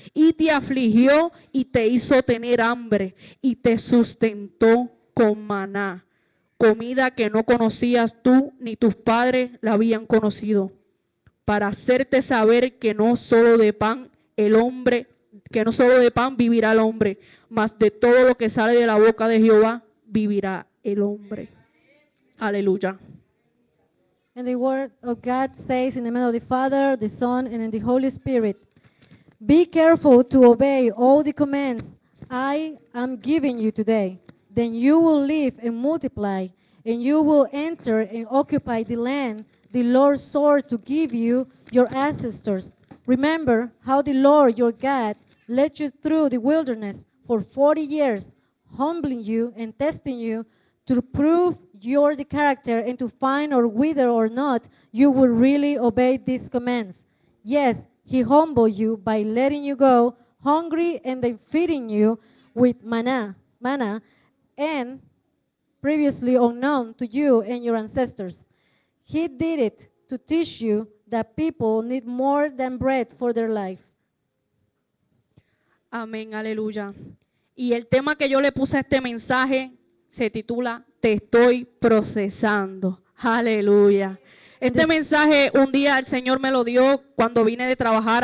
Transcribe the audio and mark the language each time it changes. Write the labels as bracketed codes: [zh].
[es] Y te afligió y te hizo tener hambre y te sustentó con maná, comida que no conocías tú ni tus padres la habían conocido, para hacerte saber que no solo de pan el hombre, que no solo de pan vivirá el hombre, mas de todo lo que sale de la boca de Jehová vivirá el hombre. Aleluya. [en] And the word of God says, in the name of the Father, the Son, and in the Holy Spirit, be careful to obey all the commands I am giving you today. Then you will live and multiply, and you will enter and occupy the land the Lord swore to give you your ancestors. Remember how the Lord your God led you through the wilderness for 40 years, humbling you and testing you to prove your the character and to find or whether or not you will really obey these commands. Yes, he humbled you by letting you go hungry and then feeding you with manna, and previously unknown to you and your ancestors. He did it to teach you that people need more than bread for their life. [es] Amén, aleluya. Y el tema que yo le puse a este mensaje se titula Te estoy procesando. Aleluya. Este mensaje un día el Señor me lo dio cuando vine de trabajar.